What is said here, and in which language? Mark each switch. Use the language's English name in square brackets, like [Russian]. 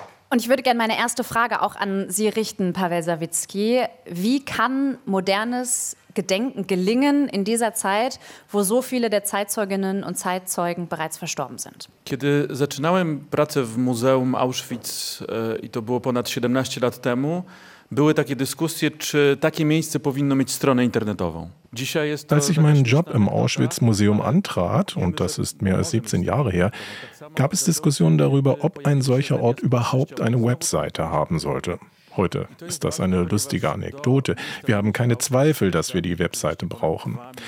[German] Und ich würde gerne meine erste Frage auch an Sie richten, Pawel Sawicki. Wie kann modernes Gedenken gelingen in dieser Zeit, wo so viele der Zeitzeuginnen und Zeitzeugen bereits verstorben sind? [Polish] Kiedy zaczynałem pracę w Muzeum Auschwitz i to było ponad 17 lat temu, były takie dyskusje, czy takie miejsce powinno mieć stronę internetową. [German] Als ich meinen Job im Auschwitz-Museum antrat, und das ist mehr als 17 Jahre her, gab es Diskussionen darüber, ob ein solcher Ort überhaupt eine Webseite haben sollte. Heute ist das eine lustige Anekdote. Wir haben keine Zweifel, dass wir die Webseite brauchen.